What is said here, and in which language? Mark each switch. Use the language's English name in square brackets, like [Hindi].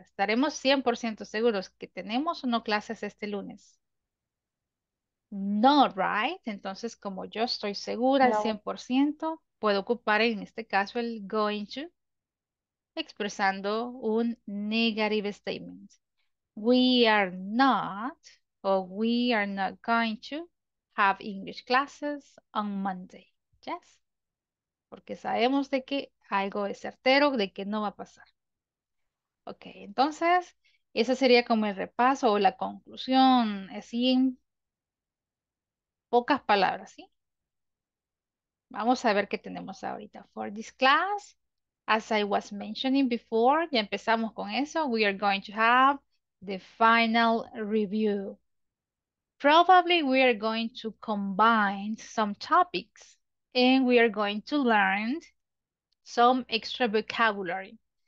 [Spanish] ¿Estaremos 100% seguros que tenemos o no clases este lunes? [English] Not right. [Spanish] Entonces, como yo estoy segura al 100%, puedo ocupar en este caso el going to expresando un negative statement. [English] We are not or we are not going to have English classes on Monday. Yes. [Spanish] Porque sabemos de que algo es certero, de que no va a pasar. Ok, entonces, ese sería como el repaso o la conclusión, así en pocas palabras, ¿sí? Vamos a ver qué tenemos ahorita. [English] For this class, as I was mentioning before, [Spanish] ya empezamos con eso, [English] we are going to have the final review. Probably we are going to combine some topics and we are going to learn some extra vocabulary.